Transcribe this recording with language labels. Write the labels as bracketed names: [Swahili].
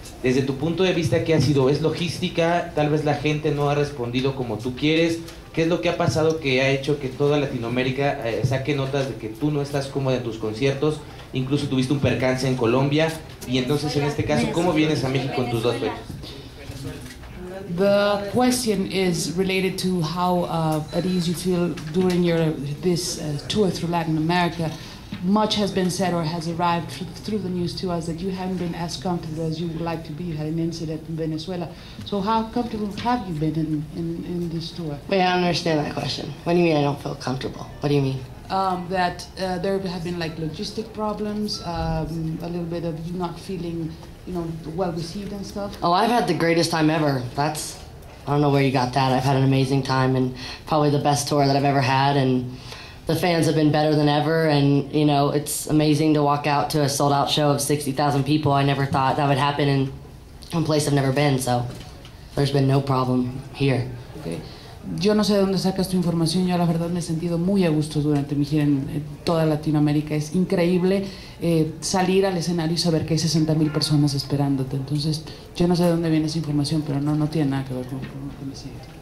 [Spanish] Desde tu punto de vista, ¿qué ha sido? ¿Es logística? ¿Tal vez la gente no ha respondido como tú quieres? ¿Qué es lo que ha pasado que ha hecho que toda Latinoamérica saque notas de que tú no estás cómoda en tus conciertos? Incluso tuviste un percance en Colombia. Y entonces, en este caso, ¿cómo vienes a México con tus dos fechas? [English] The question is related to how at ease you feel during this tour through Latin America. Much has been said or has arrived through the news to us that you haven't been as comfortable as you would like to be. You had an incident in Venezuela. So how comfortable have you been in this tour? Wait, I don't understand that question. What do you mean I don't feel comfortable? What do you mean? That there have been like logistic problems, a little bit of you not feeling, you know, well-received and stuff. Oh, I've had the greatest time ever. I don't know where you got that. I've had an amazing time and probably the best tour that I've ever had, and the fans have been better than ever, and, you know, it's amazing to walk out to a sold-out show of 60,000 people. I never thought that would happen in a place I've never been, so there's been no problem here. Okay. [Spanish] Yo no sé de dónde sacas tu información. Yo la verdad me he sentido muy a gusto durante mi gira en toda Latinoamérica. Es increíble salir al escenario y saber que hay 60,000 personas esperándote. Entonces, yo no sé de dónde viene esa información, pero no, no tiene nada que ver con lo que me sigue.